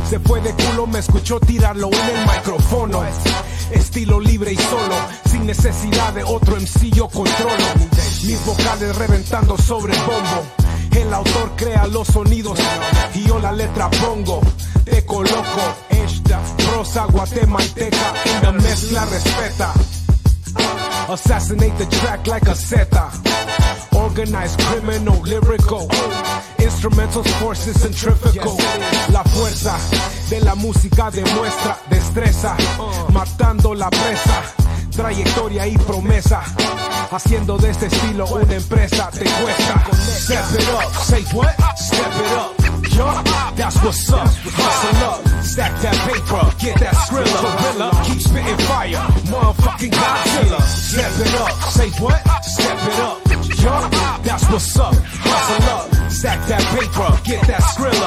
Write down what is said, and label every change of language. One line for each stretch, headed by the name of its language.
Spanish: Se fue de culo, me escuchó tirarlo en el micrófono. Estilo libre y solo, sin necesidad de otro MC yo controlo. Mis vocales reventando sobre el bombo. El autor crea los sonidos y yo la letra pongo. Te coloco esta rosa guatemalteca en la mezcla respeta.
English: Assassinate the track like a Zeta. Organized criminal, lyrical. Instrumental forces centrifugal.
Spanish: La fuerza de la música demuestra destreza. Matando la presa. Trayectoria y promesa. Haciendo de este estilo una empresa. Te cuesta.
English: Step it up, say what? Step it up, yo, that's what's up. Hustle up, stack that paper, get that Skrilla. Gorilla, keep spitting fire, motherfucking Godzilla. Step it up, say what? Step it up, yo, that's what's up. Hustle up, stack that paper, get that Skrilla.